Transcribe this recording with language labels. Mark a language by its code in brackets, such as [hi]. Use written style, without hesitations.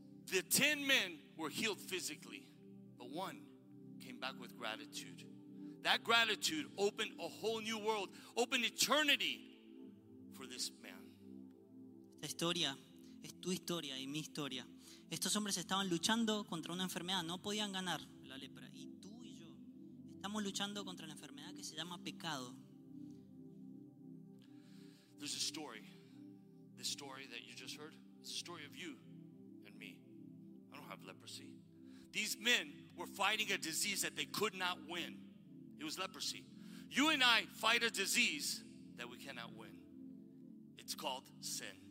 [en] The 10 men were healed physically, but one came back with gratitude. That gratitude opened a whole new world, opened eternity for this man. [es] Esta historia es tu historia y mi historia. Estos hombres estaban luchando contra una enfermedad, no podían ganar la lepra. Y tú y yo estamos luchando contra la enfermedad que se llama pecado. [en] There's a story. This story that you just heard, it's a story of you and me. I don't have leprosy. These men were fighting a disease that they could not win. It was leprosy. You and I fight a disease that we cannot win. It's called sin.